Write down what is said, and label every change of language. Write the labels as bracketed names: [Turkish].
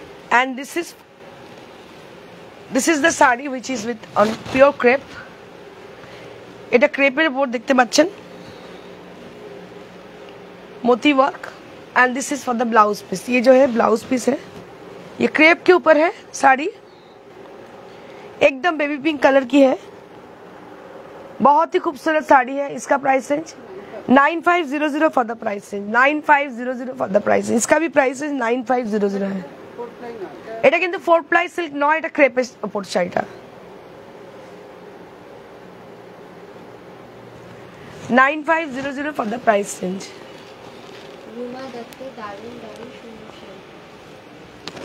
[English] And this is the sari which is with on pure crepe. [Bangla] এটা ক্রেপের উপর দেখতে পাচ্ছেন, [English] Moti work and this is for the blouse piece. [Hindi] ये जो है ब्लाउज पीस है, ये क्रेप के ऊपर है साड़ी, एकदम बेबी पिंक कलर की है, बहुत ही खूबसूरत साड़ी है। इसका price range 9500 [English] for the price range, [Hindi] 9500 for the price range. इसका भी प्राइस रेंज 9500 है। [Bangla] এটা কিন্তু ফোর প্লাই সিল্ক নয়, এটা ক্রেপের উপর শাড়িটা। [English] 9500 for the price range. [Bangla] Ruma Dutta, দারুণ দারুণ সুন্দর শাড়ি।